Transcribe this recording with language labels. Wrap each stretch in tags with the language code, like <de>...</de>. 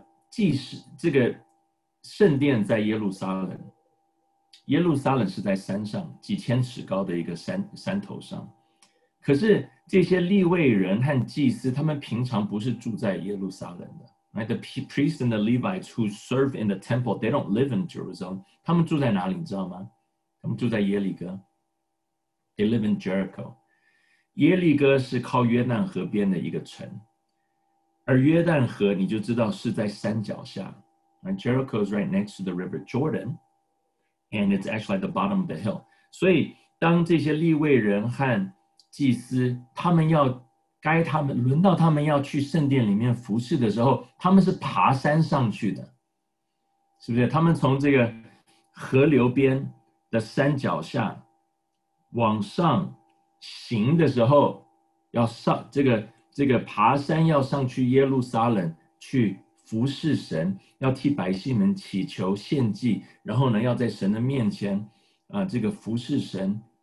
<zh>即使这个圣殿在耶路撒冷，耶路撒冷是在山上，几千尺高的一个山头上。可是这些利未人和祭司，他们平常不是住在耶路撒冷的。</zh> <en>Right? The priests and the Levites who serve in the temple, they don't live in Jerusalem.</en> <zh>他们住在哪里，你知道吗？他们住在耶利哥。</zh> <en>They live in Jericho.</en> <zh>耶利哥是靠约旦河边的一个城，而约旦河你就知道是在山脚下。</zh> <en>And Jericho is right next to the river Jordan, and it's actually at the bottom of the hill.</en> <zh>所以当这些利未人和祭司，他们要该他们轮到他们要去圣殿里面服侍的时候，他们是爬山上去的，是不是？他们从这个河流边的山脚下往上行的时候，要上这个爬山，要上去耶路撒冷去服侍神，要替百姓们祈求献祭，然后呢要在神的面前这个服侍神</zh>